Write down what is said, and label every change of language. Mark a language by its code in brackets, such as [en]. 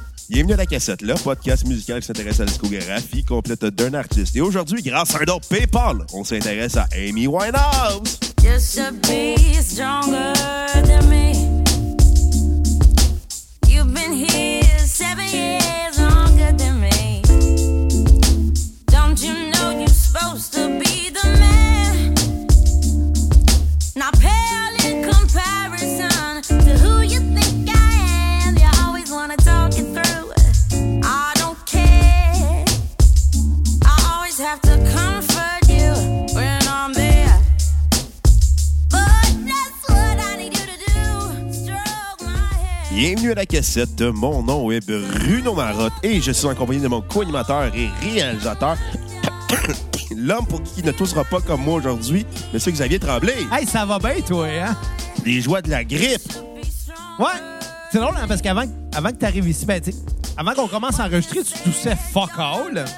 [fr] Bienvenue à La Cassette, le podcast musical qui s'intéresse à la discographie complète d'un artiste. Et aujourd'hui, grâce à un autre PayPal, on s'intéresse à Amy Winehouse. [en] You should be stronger than me. You've been here 7 years longer than me. Don't you know you're supposed to be the man? Now pale in comparison to who you think I am. You always wanna talk it through. I don't care. I always have to comfort you when I'm there. But that's what I need you to do. Stroke my head. [fr] Bienvenue à La Cassette. Mon nom est Bruno Marotte et je suis en compagnie de mon co-animateur et réalisateur. L'homme pour qui ne toussera pas comme moi aujourd'hui, M. Xavier Tremblay. Hey, ça va bien, toi, hein? Les joies de la grippe. Ouais, c'est drôle, hein, parce qu'avant que t'arrives ici, ben, t'sais, avant qu'on commence à enregistrer, tu toussais fuck all.